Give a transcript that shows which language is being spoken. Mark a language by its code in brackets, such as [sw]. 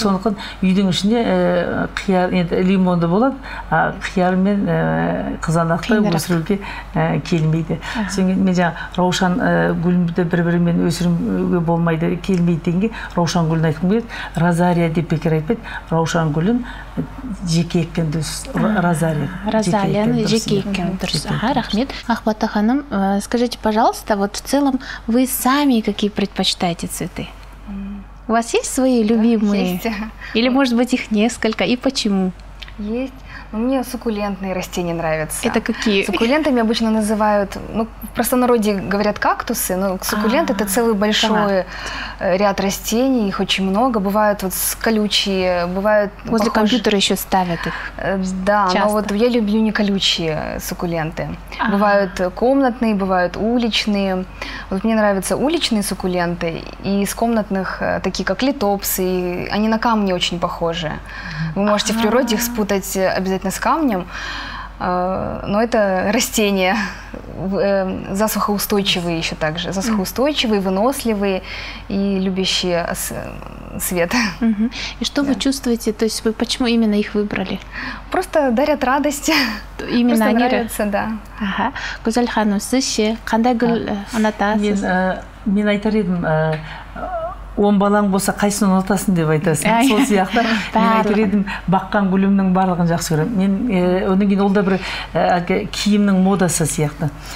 [kk] Сондықтан үйдің ішінде қияр, енді лимонды болады, қияр мен қызанақты өсіруге келмейді. Мен жаңағы раушан гүлімді бір-бірімен өсіруге болмайды, келмейді дегенге раушан гүлін айтқым келеді. Розария деп бекер айтпайды, раушан гүлін жеке еккен дұрыс. Розария. Розарияны жеке еккен дұрыс. Рахмет. [ru] Марта ханым, скажите, пожалуйста, вот в целом вы сами какие предпочитаете цветы? У вас есть свои любимые? Да, есть. Или, может быть, их несколько? И почему? Есть. Мне суккулентные растения нравятся. Это какие? Суккулентами обычно называют, ну, в простонародье говорят кактусы, но суккулент – это целый большой ряд растений, их очень много. Бывают вот колючие, бывают… Возле компьютера еще ставят их. Да, но вот я люблю не колючие суккуленты. Бывают комнатные, бывают уличные. Вот мне нравятся уличные суккуленты, и из комнатных такие, как литопсы, они на камни очень похожи. Вы можете в природе их спутать обязательно с камнем, но это растения засухоустойчивые еще также. Засухоустойчивые, выносливые и любящие свет. И что вы чувствуете, то есть вы почему именно их выбрали? Просто дарят радость. Именно они? Просто нравятся, да. [kk] Гузаль ханым, сіз ше, қандай гүл ұнатасыз? Мен айтар едім, он балаң болса, қайсын ұнатасын деп айтасын. Сол сияқты, мен айтар едім, баққан гүлімнің барлығын жақсы көрем. Мен оның кейін ол да бір киімнің модасы сияқты.